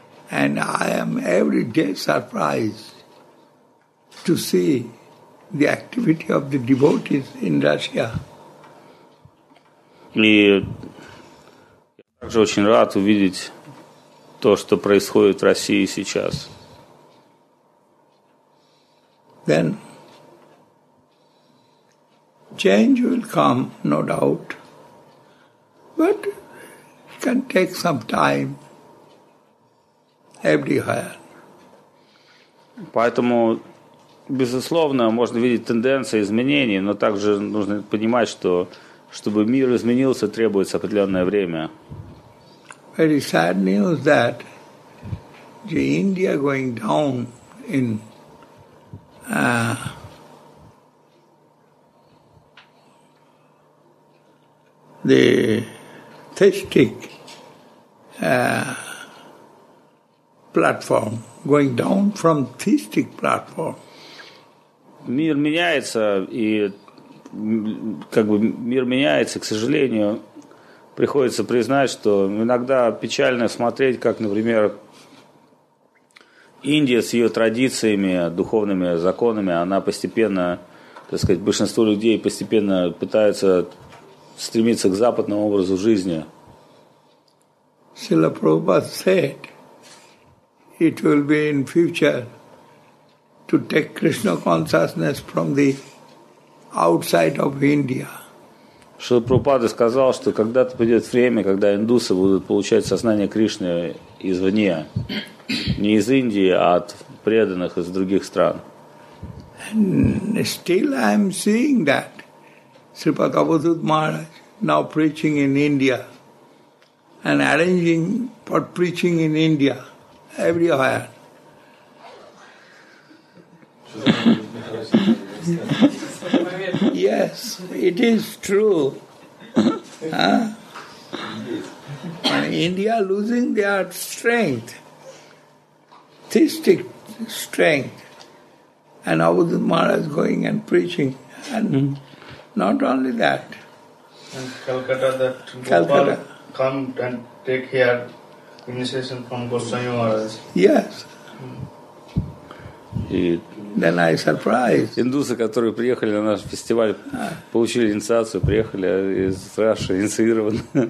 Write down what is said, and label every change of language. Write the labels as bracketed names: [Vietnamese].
[English] And I am every day surprised to see the activity of the devotees in Russia. [Russian] И я также очень рад увидеть то, что происходит в России сейчас. [English] Then change will come, no doubt, but it can take some time everywhere. [Russian] Поэтому, безусловно, можно видеть тенденции изменений, но также нужно понимать, что чтобы мир изменился, требуется определенное время. [English] Very sad news that the India going down in the theistic platform, going down from theistic platform. [Russian] Мир меняется, и как бы мир меняется, к сожалению, приходится признать, что иногда печально смотреть, как, например, Индия с ее традициями, духовными законами, она постепенно, так сказать, большинство людей постепенно пытаются стремиться к западному образу жизни. [English] Srila Prabhupada said, it will be in future to take Krishna consciousness from the outside of India. [Russian] Шрила Прабхупада сказал, что когда-то придет время, когда индусы будут получать сознание Кришны извне, не из Индии, а от преданных из других стран. [English] And still I am seeing that Sri Padmavathut Maharaj now preaching in India and arranging for preaching in India everywhere. Yes, it is true. India losing their strength, theistic strength, and Avadhut Maharaj going and preaching And not only that. And Calcutta, that Calcutta. Gopal come and take here initiation from Goswami Maharaj. Yes. Then I surprised. [Russian] Индусы, которые приехали на наш фестиваль, получили инициацию, приехали из Раши, инициированы.